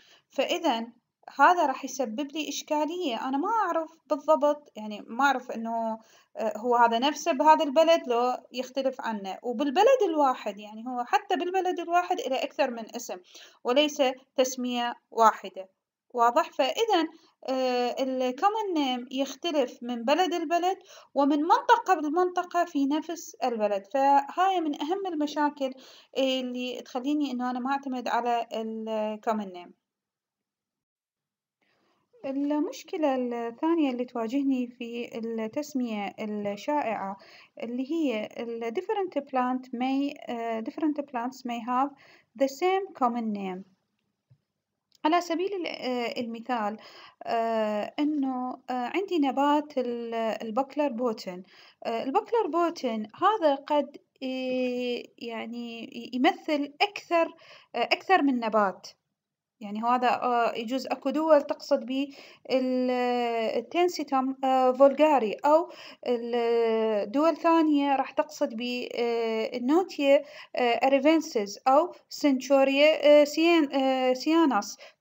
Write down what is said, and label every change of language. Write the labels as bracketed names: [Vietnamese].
[Arabic] فاذا هذا راح يسبب لي إشكالية، أنا ما أعرف بالضبط، يعني ما أعرف إنه هو هذا نفسه بهذا البلد لو يختلف عنه، وبالبلد الواحد يعني هو حتى بالبلد الواحد إلى أكثر من اسم وليس تسمية واحدة، واضح؟ فإذا الكومن نيم يختلف من بلد البلد ومن منطقة بالمنطقة في نفس البلد. فهاي من أهم المشاكل اللي تخليني إنه أنا ما أعتمد على الكومن نيم. المشكلة الثانية اللي تواجهني في التسمية الشائعة اللي هي [English] different plant may different plants may have the same common name. [Arabic] على سبيل المثال إنه عندي نبات البكلر بوتن. البكلر بوتن هذا قد يعني يمثل أكثر من نبات، يعني هذا يجوز اكو دول تقصد به التنسيتم فولغاري، او الدول الثانيه راح تقصد به النوتيا اريفنسيس او سنتوريا سياناس.